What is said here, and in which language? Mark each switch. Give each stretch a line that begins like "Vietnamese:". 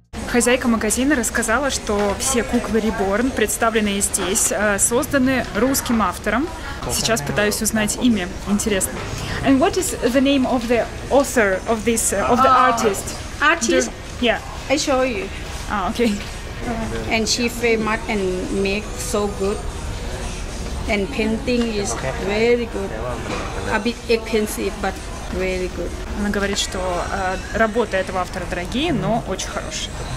Russian: Хозяйка магазина рассказала, что все куклы Reborn, представленные здесь, созданы русским автором. Сейчас пытаюсь узнать имя. Интересно.
English: And what is the name of the author of this of the artist? Artist? Yeah. I show you. Ah, okay. And she very much and make so good. And painting is very good. A bit expensive, but very good.
Russian: Она говорит, что работы этого автора дорогие, но очень хорошие.